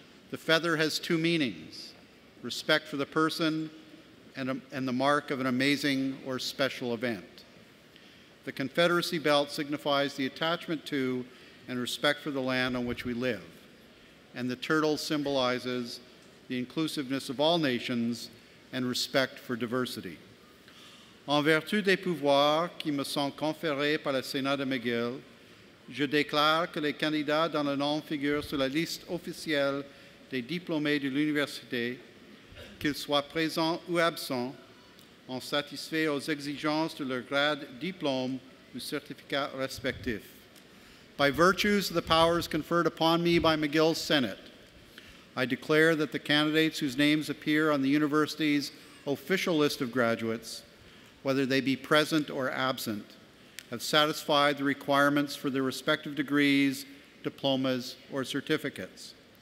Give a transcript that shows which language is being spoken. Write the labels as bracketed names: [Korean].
[English] The feather has two meanings, respect for the person and the mark of an amazing or special event. The Confederacy belt signifies the attachment to and respect for the land on which we live. And the turtle symbolizes the inclusiveness of all nations and respect for diversity. [French] En vertu des pouvoirs qui me sont conférés par le Sénat de McGill, je déclare que les candidats dans le nom figurent sur la liste officielle des diplômés de l'université, qu'ils soient présents ou absents, en satisfait aux exigences de leur grade, diplôme ou certificat respectif. [English] By virtues of the powers conferred upon me by McGill's Senate, I declare that the candidates whose names appear on the university's official list of graduates, whether they be present or absent, have satisfied the requirements for their respective degrees, diplomas, or certificates.